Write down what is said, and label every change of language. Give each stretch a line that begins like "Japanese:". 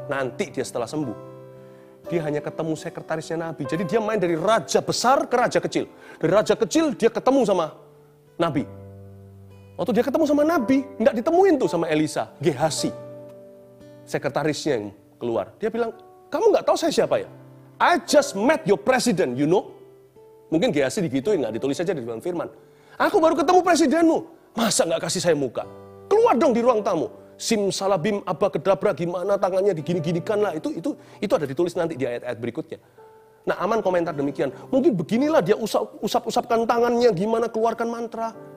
Indonesian: Nanti dia setelah sembuh. Dia hanya ketemu sekretarisnya Nabi. Jadi dia main dari raja besar ke raja kecil. Dari raja kecil dia ketemu sama Nabi. Waktu dia ketemu sama Nabi, nggak ditemuin tuh sama Elisa, Gehasi. sekretarisnya yang keluar. Dia bilang, kamu gak tahu saya siapa ya?
English: I just met your president, you know?
Indonesian: Mungkin Gehazi digituin, gak ditulis aja di dalam firman. Aku baru ketemu presidenmu. Masa gak kasih saya muka? Keluar dong di ruang tamu. Simsalabim, apa kedabra, gimana tangannya digini-ginikan lah. Itu ada ditulis nanti di ayat-ayat berikutnya. Nah, Aman komentar demikian. Mungkin beginilah dia usap-usapkan tangannya, gimana keluarkan mantra.